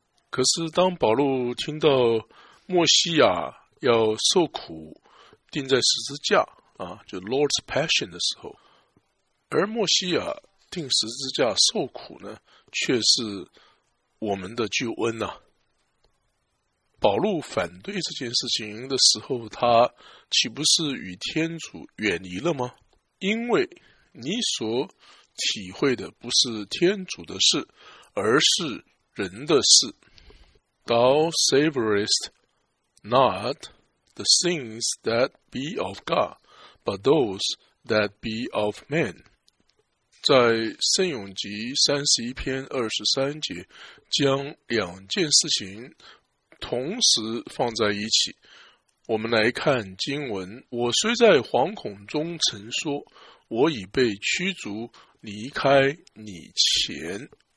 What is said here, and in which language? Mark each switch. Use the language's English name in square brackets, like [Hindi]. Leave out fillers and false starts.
[Chinese] 可是当保禄听到墨西亚要受苦钉在十字架就 [English] Lord's Passion [Chinese] 的时候，而墨西亚钉十字架受苦呢，却是我们的救恩啊。保禄反对这件事情的时候，他岂不是与天主远离了吗？因为你所体会的不是天主的事，而是人的事。 [English] Thou savorest not the things that be of God, but those that be of man. [Chinese] 在圣咏集31:23，将两件事情同时放在一起。我们来看经文，我虽在惶恐中曾说，我已被驱逐离开你前。